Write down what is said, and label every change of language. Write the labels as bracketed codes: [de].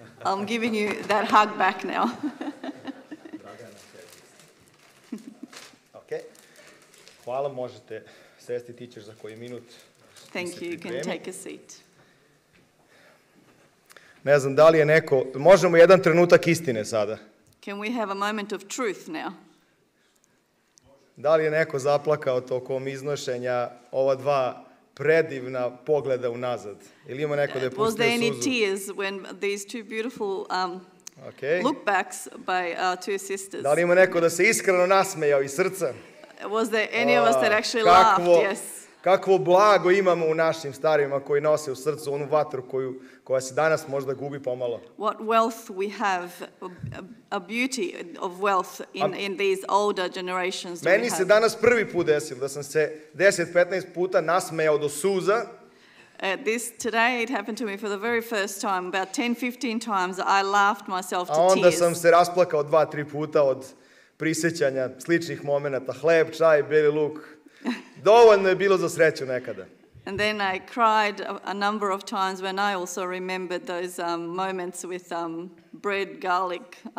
[en] I'm giving you that hug back now. Okay. [sr] Hvala, možete sesti, ti ćeš za koji minut. [en] Thank you, you can take a seat. [sr] Ne znam, da li je neko... Možemo jedan trenutak istine sada. [en] Can we have a moment of truth now? [sr] Da li je neko zaplakao tokom iznošenja ova dva predivna pogleda unazad? Ili ima neko da je pustio suzu? [en] Was there any tears when these two beautiful lookbacks by our two sisters? [sr] Da li ima neko da se iskreno nasmejao iz srca? [en] Was there any of us that actually laughed? Yes. [sr] Kakvo blago imamo u našim starima koji nose u srcu onu vatru koja se danas možda gubi pomalo. [en] What wealth we have, a beauty of wealth in these older generations. [sr] Meni se danas prvi put desilo da sam se 10-15 puta nasmejao do suza. [en] Today it happened to me for the very first time, about 10-15 times I laughed myself to tears. [sr] A onda sam se rasplakao 2-3 puta od prisećanja sličnih momenata, hleb, čaj, beli luk. Dovoljno je bilo za sreću nekada. [en] And then I cried a number of times when I also remembered those moments with bread, garlic.